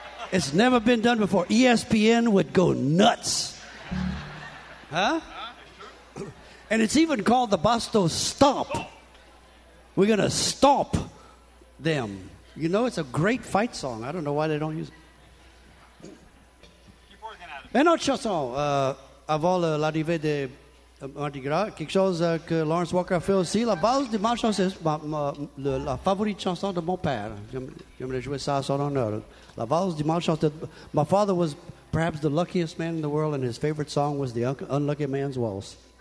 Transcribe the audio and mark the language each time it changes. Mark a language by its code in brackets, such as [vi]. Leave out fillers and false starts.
[en] It's never been done before. ESPN would go nuts. Huh? And it's even called the Bosco stomp. We're going to stomp them. You know, it's a great fight song. I don't know why they don't use it. [fr] Une autre chanson, avant l'arrivée de Mardi Gras, quelque chose que Lawrence Walker fait aussi, la base de ma chanson, c'est la favorite chanson de mon père. J'aimerais jouer ça à son honneur. La base de ma chanson, [en] my father was perhaps the luckiest man in the world, and his favorite song was The Unlucky Man's Waltz.